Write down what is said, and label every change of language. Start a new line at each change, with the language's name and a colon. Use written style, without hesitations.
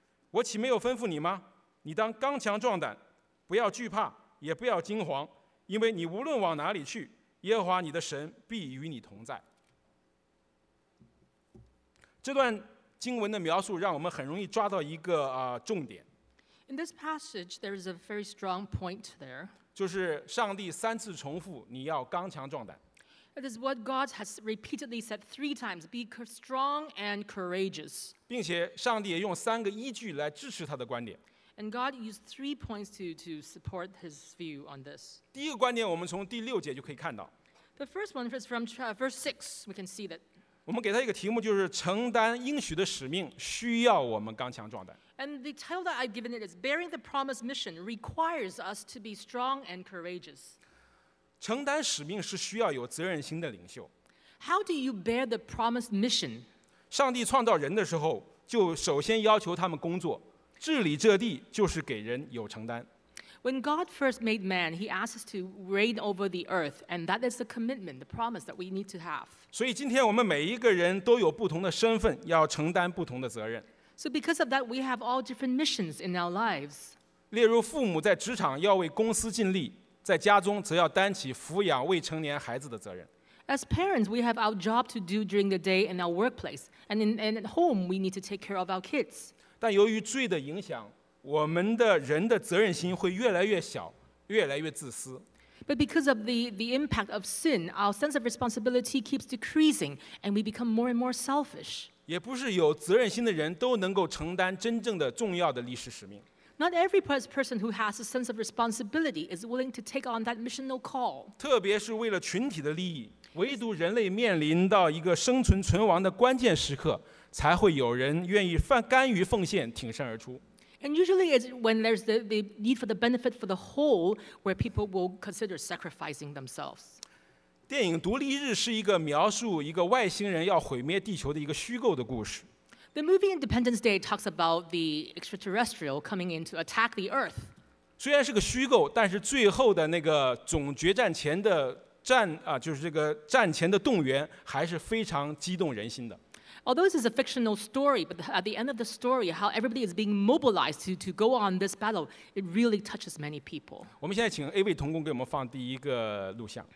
Chinese: 我岂没有吩咐你吗？你当刚强壮胆，不要惧怕，也不要惊慌，因为你无论往哪里去，耶和华你的神必与你同在。这段经文的描述让我们很容易抓到一个重点。
English: In this passage, there is a very strong point there.
Chinese: 就是上帝三次重复，你要刚强壮胆。
English: It is what God has repeatedly said three times, be strong and courageous.
Chinese: 并且上帝也用三个依据来支持他的观点。
English: And God used three points to support his view on this.
Chinese: 第一个观点我们从第六节就可以看到。
English: The first one is from verse 6, we can see that.
Chinese: 我们给他一个题目，就是承担应许的使命，需要我们刚强壮胆。
English: And the title that I've given it is Bearing the Promised Mission Requires Us to Be Strong and Courageous.
Chinese: 承担使命是需要有责任心的领袖。
English: How do you bear the promised mission?
Chinese: 上帝创造人的时候，就首先要求他们工作，治理这地就是给人有承担。
English: When God first made man, he asked us to reign over the earth, and that is the commitment, the promise that we need to have.
Chinese: 所以今天我们每一个人都有不同的身份，要承担不同的责任。
English: So because of that, we have all different missions in our lives.
Chinese: 例如父母在职场要为公司尽力，在家中则要担起抚养未成年孩子的责任。
English: As parents, we have our job to do during the day in our workplace, and at home, we need to take care of our kids.
Chinese: 但由于罪的影响，我们的人的责任心会越来越小，越来越自私。
English: But because of the impact of sin, our sense of responsibility keeps decreasing, and we become more and more selfish.
Chinese: 也不是有责任心的人都能够承担真正的重要的历史使命。
English: Not every person who has a sense of responsibility is willing to take on that missional call.
Chinese: 特别是为了群体的利益，唯独人类面临到一个生存存亡的关键时刻，才会有人愿意甘于奉献，挺身而出。
English: And usually it's when there's the need for the benefit for the whole where people will consider sacrificing themselves.
Chinese: 电影《独立日》是一个描述一个外星人要毁灭地球的一个虚构的故事。
English: The movie Independence Day talks about the extraterrestrial coming in to attack the Earth.
Chinese: 虽然是个虚构，但是最后的那个总决战前的战啊，就是这个战前的动员还是非常激动人心的。
English: Although this is a fictional story, but at the end of the story, how everybody is being mobilized to go on this battle, it really touches many people.
Chinese: 我们现在请 AV 同工给我们放第一个录像。